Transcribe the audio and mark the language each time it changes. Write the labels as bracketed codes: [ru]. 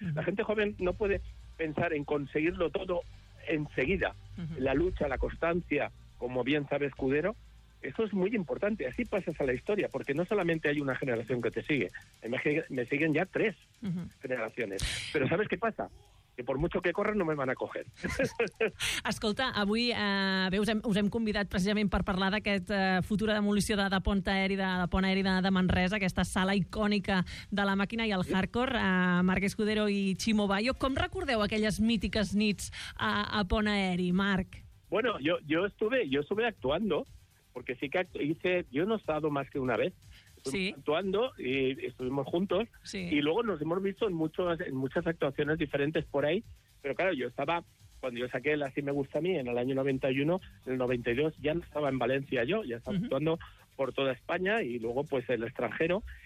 [es] La gente joven no puede pensar en conseguirlo todo enseguida. La lucha, la constancia, como bien sabe Escudero, eso es muy importante. Así pasas a la historia, porque no solamente hay una generación que te sigue, me siguen ya tres generaciones. Pero ¿sabes qué pasa? Que por mucho que corren no me van a coger. [ca] Escolta, avui us hem convidat precisament per parlar d'aquesta futura demolició de Pont Aeri de Pont Aeri de Manresa, aquesta sala icònica de la màquina i el hardcore, Marc Escudero i Ximo Bayo. Com recordeu aquelles mítiques nits a Pont Aeri, Marc? [es] Bueno, yo estuve actuando, porque sí que hice, yo no he estado más que una vez, actuando y estuvimos juntos, y luego nos hemos visto en muchas actuaciones diferentes por ahí, pero claro, yo estaba, cuando yo saqué el Así me gusta a mí, en el año 91, en el 92 ya no estaba en Valencia yo, ya estaba actuando por toda España y luego pues el extranjero,